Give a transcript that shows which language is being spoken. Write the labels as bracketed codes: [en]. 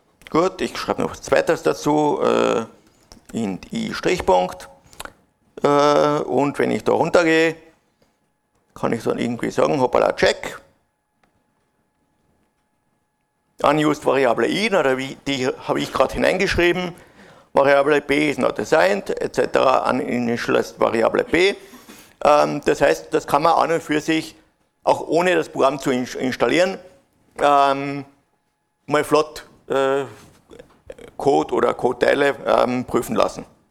[de] Gut, ich schreibe noch was Zweites dazu. Int i-Strichpunkt. Und wenn ich da runtergehe, kann ich dann irgendwie sagen, hoppala, check. [en] Unused Variable i, [de] die habe ich gerade hineingeschrieben. [en] Variable b is not assigned, etc. uninitialized Variable b. [de] Das heißt, das kann man an und für sich, auch ohne das Programm zu installieren, mal flott Code oder Code-Teile prüfen lassen.